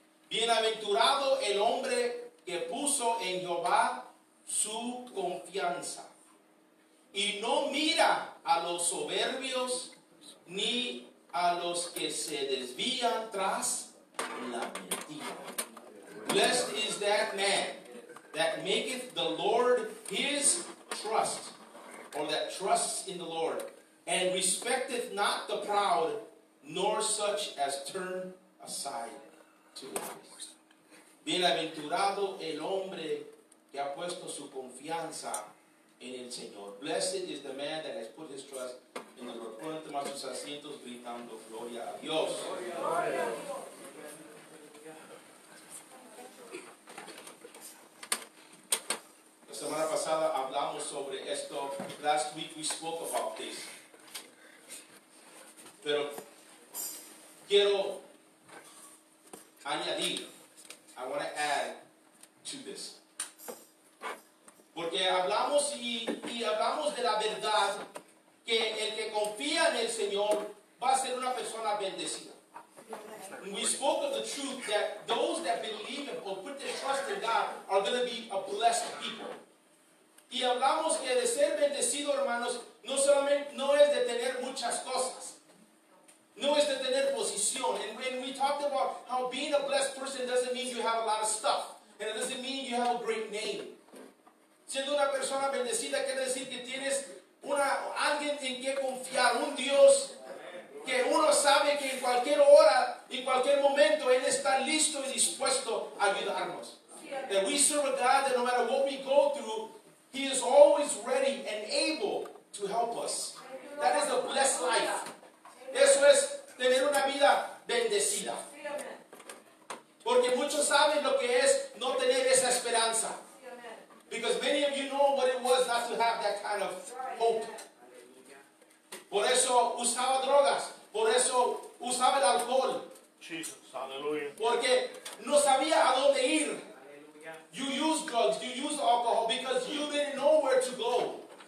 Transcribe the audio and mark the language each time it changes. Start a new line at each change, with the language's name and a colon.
Spanish: Bienaventurado el hombre que puso en Jehová su confianza y no mira a los soberbios ni a los que se desvían tras la mentira.
English: Blessed is that man that maketh the Lord his trust, or that trusts in the Lord, and respecteth not the proud, nor such as turn aside to lies.
Spanish: Bienaventurado el hombre que ha puesto su confianza en el Señor.
English: Blessed is the man that has put his trust in the Lord.
Spanish: Ponen tomar sus asientos gritando gloria a Dios. La semana pasada hablamos sobre esto.
English: Last week we spoke about this.
Spanish: Pero quiero añadir.
English: I want to add to this.
Spanish: Porque hablamos y hablamos de la verdad que el que confía en el Señor va a ser una persona bendecida.
English: We spoke of the truth that those that believe or put their trust in God are going to be a blessed people.
Spanish: Y hablamos que de ser bendecido, hermanos, no solamente no es de tener muchas cosas. No es de tener posición.
English: And when we talked about how being a blessed person doesn't mean you have a lot of stuff. And it doesn't mean you have a great name.
Spanish: Siendo una persona bendecida quiere decir que tienes alguien en quien confiar, un Dios que uno sabe que en cualquier hora, en cualquier momento, Él está listo y dispuesto a ayudarnos.
English: That we serve a God that no matter what we go through, He is always ready and able to help us. That is a blessed life.
Spanish: Eso es tener una vida bendecida. Porque muchos saben lo que es no tener esa esperanza.
English: Because many of you know what it was not to have that kind of hope.
Spanish: Por eso usaba drogas. Por eso usaba el alcohol.
English: Jesus, hallelujah.
Spanish: Porque no sabía a dónde ir.
English: You use drugs, you use alcohol because you didn't know where to go.